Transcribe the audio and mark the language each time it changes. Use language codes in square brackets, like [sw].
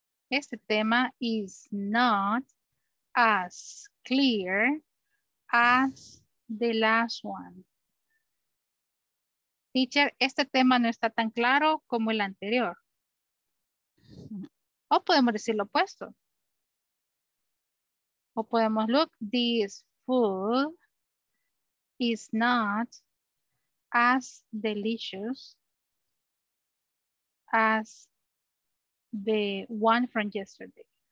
[es] Este tema [en] is not as clear as the last one. [es] Teacher, este tema no está tan claro como el anterior. O podemos decir lo opuesto. O podemos, [en] look, this food is not as delicious as the one from yesterday.